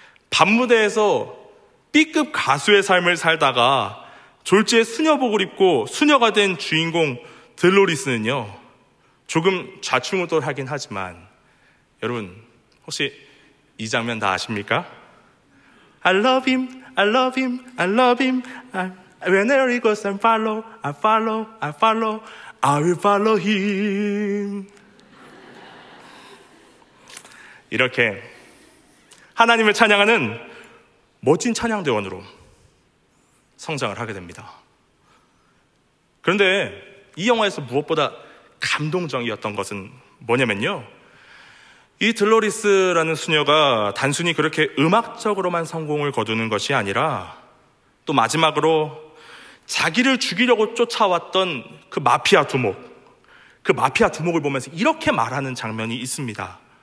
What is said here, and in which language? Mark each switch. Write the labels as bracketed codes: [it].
[ko] 밤무대에서 B급 가수의 삶을 살다가 졸지에 수녀복을 입고 수녀가 된 주인공 들로리스는요, 조금 좌충우돌하긴 하지만 여러분 혹시 이 장면 다 아십니까? [en] I love him, I love him, I love him, I, whenever he goes and follow, I follow, I follow, I will follow him. [ko] 이렇게 하나님을 찬양하는 멋진 찬양대원으로 성장을 하게 됩니다. 그런데 이 영화에서 무엇보다 감동적이었던 것은 뭐냐면요, 이 들로리스라는 수녀가 단순히 그렇게 음악적으로만 성공을 거두는 것이 아니라 또 마지막으로 자기를 죽이려고 쫓아왔던 그 마피아 두목, 그 마피아 두목을 보면서 이렇게 말하는 장면이 있습니다.